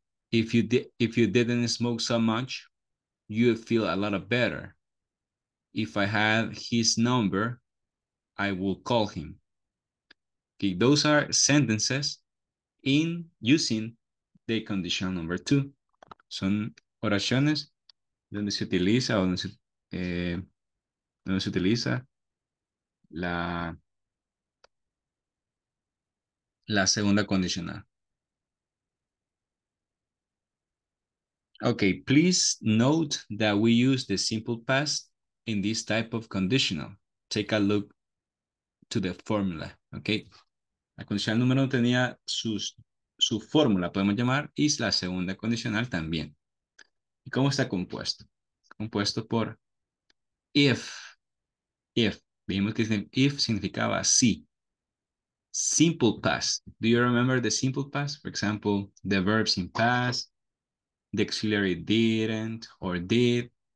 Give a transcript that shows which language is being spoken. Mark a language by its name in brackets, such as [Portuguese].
[English] If you didn't smoke so much, you'd feel a lot better. If I had his number, I would call him. Okay, those are sentences in using the conditional number two. [Spanish] Son oraciones donde se utiliza o donde se utiliza la segunda condicional. [English] Okay, please note that we use the simple past in this type of conditional. Take a look to the formula, okay? [Spanish] La condicional número uno tenía su fórmula, podemos llamar, y la segunda condicional también. ¿Y cómo está compuesto? Compuesto por if, dijimos que if significaba si. [English] Simple past. Do you remember the simple past? For example, the verbs in past, the auxiliary didn't or did.